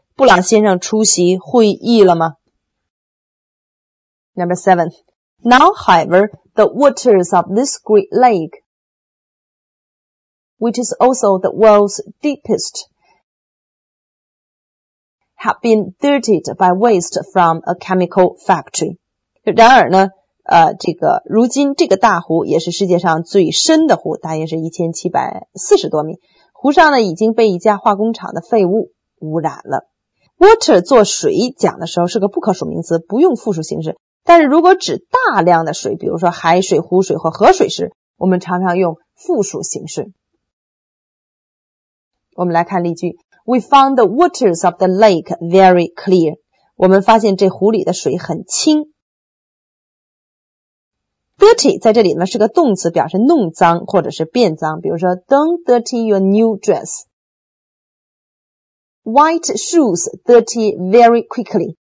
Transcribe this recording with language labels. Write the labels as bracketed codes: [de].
[zh] 布朗先生出席会议了吗？ [en] Number 7. Now, however, the waters of this great lake, which is also the world's deepest,have been dirtied by waste from a chemical factory. [zh] 然而呢，这个如今这个大湖也是世界上最深的湖，大约是1740多米。湖上呢已经被一家化工厂的废物污染了。 Water 做水讲的时候是个不可数名词，不用复数形式。但是如果指大量的水，比如说海水、湖水或河水时，我们常常用复数形式。我们来看例句。 [en] We found the waters of the lake very clear. [zh] 我们发现这湖里的水很清。 Dirty 在这里呢是个动词，表示弄脏或者是变脏。比如说 [en] Don't dirty your new dress. White shoes dirty very quickly.